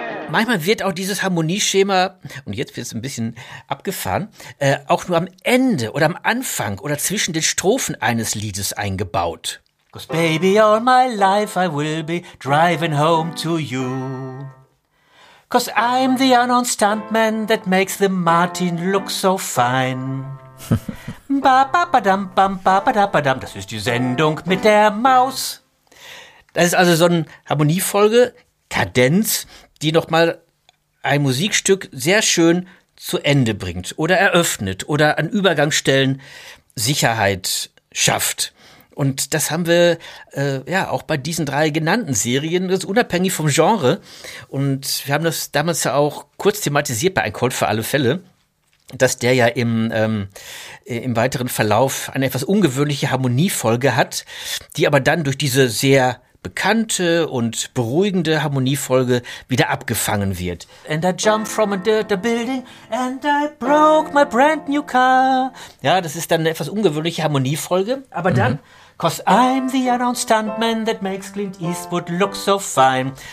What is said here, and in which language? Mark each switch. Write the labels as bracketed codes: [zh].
[de] Manchmal wird auch dieses Harmonieschema, und jetzt wird es ein bisschen abgefahren, auch nur am Ende oder am Anfang oder zwischen den Strophen eines Liedes eingebaut. [en] 'Cause baby, all my life I will be driving home to you. 'Cause I'm the unknown stuntman that makes the Martin look so fine. Ba ba ba dam bam ba ba da ba dam, [de] das ist die Sendung mit der Maus. Das ist also so eine Harmoniefolge, Kadenz, die nochmal ein Musikstück sehr schön zu Ende bringt oder eröffnet oder an Übergangsstellen Sicherheit schafft. Und das haben wir auch bei diesen drei genannten Serien, das ist unabhängig vom Genre. Und wir haben das damals ja auch kurz thematisiert bei Ein Colt für alle Fälle, dass der ja im weiteren Verlauf eine etwas ungewöhnliche Harmoniefolge hat, die aber dann durch diese sehr bekannte und beruhigende Harmoniefolge wieder abgefangen wird. [en] And I jumped from a dirt building and I broke my brand new car. [de] Ja, das ist dann eine etwas ungewöhnliche Harmoniefolge. Aber dann, [en] 'cause I'm the unknown stuntman that makes Clint Eastwood look so fine.